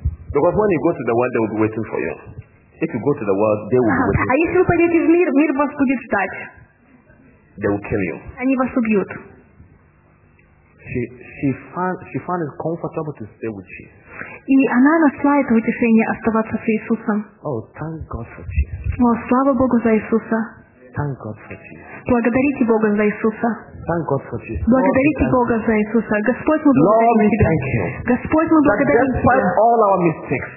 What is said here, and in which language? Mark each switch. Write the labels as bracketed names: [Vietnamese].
[English] Because when you go to the world, they will be waiting for you. If you go to the world, they will be waiting. [Russian] А если вы пойдете в мир, мир вас будет ждать. [English] They will kill you. [Russian] Они вас убьют. [English] She found it comfortable to stay with Jesus. [Russian] И она нашла это утешение оставаться с Иисусом. [English] Oh, thank God for Jesus. [Russian] О, слава Богу за Иисуса. [English] Thank God for Jesus. [Russian] Благодарите Бога за Иисуса. [English] Thank God for Jesus. [Russian] Благодарите Бога за Иисуса. Господь, мы благодарим Тебя. Господь, мы благодарим Тебя.